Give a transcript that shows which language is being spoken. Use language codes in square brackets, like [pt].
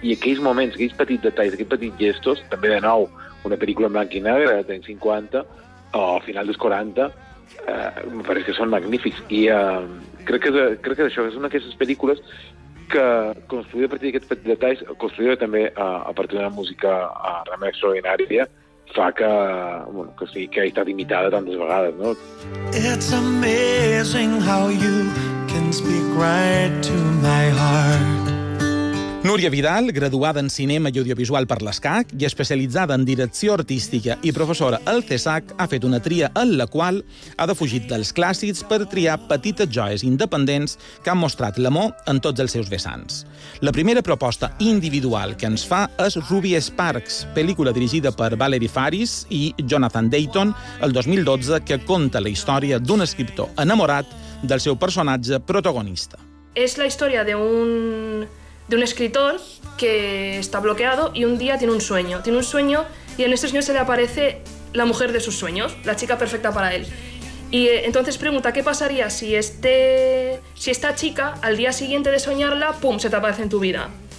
[ca] I aquells moments, aquells petits detalls, aquells petits gestos, també de nou una pel·lícula en blanc i negre de 50 o al final dels 40, me pareix que són magnífics. I crec que això és una d'aquestes pel·lícules que construïda a partir d'aquests petits detalls, construïda també a partir d'una música realment extraordinària, fa que, bueno, que sigui, que ha estat imitada tantes vegades, no? [en] It's amazing how you can speak right to my heart. [ca] Núria Vidal, graduada en cinema i audiovisual per l'ESCAC i especialitzada en direcció artística i professora al CSAC, ha fet una tria en la qual ha defugit dels clàssics per triar petites joies independents que han mostrat l'amor en tots els seus vessants. La primera proposta individual que ens fa és Ruby Sparks, pel·lícula dirigida per Valerie Faris i Jonathan Dayton el 2012, que conta la història d'un escriptor enamorat del seu personatge protagonista. És la història de [es] un escritor que está bloqueado y un día tiene un sueño. Tiene un sueño y en este sueño se le aparece la mujer de sus sueños, la chica perfecta para él. Y entonces pregunta, ¿qué pasaría si esta chica, al día siguiente de soñarla, pum, se te aparece en tu vida?